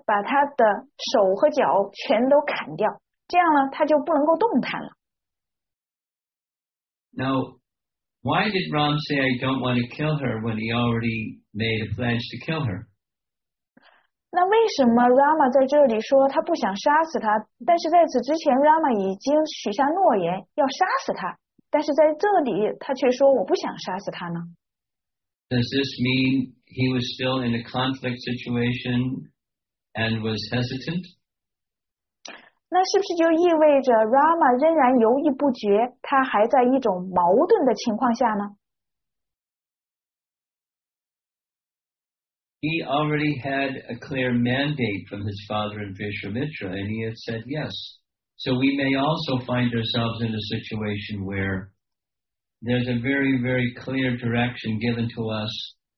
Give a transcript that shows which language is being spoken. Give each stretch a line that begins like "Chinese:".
Chinese: 那么我们首先把她的手和脚全都砍掉, 这样呢,她就不能够动弹了。
English: Now, why did Ram say, I don't want to kill her, when he already made a pledge to kill her?
Chinese: 那为什么Rama在这里说他不想杀死他, 但是在此之前Rama已经许下诺言要杀死他, 但是在这里他却说我不想杀死他呢?
English: Does this mean he was still in a conflict situation and was hesitant?
Chinese: 那是不是就意味着Rama仍然犹豫不决, 他还在一种矛盾的情况下呢?
English: He already had a clear mandate from his father and Vishwamitra, and he had said yes. So we may also find ourselves in a situation where there's a very, very clear direction given to us.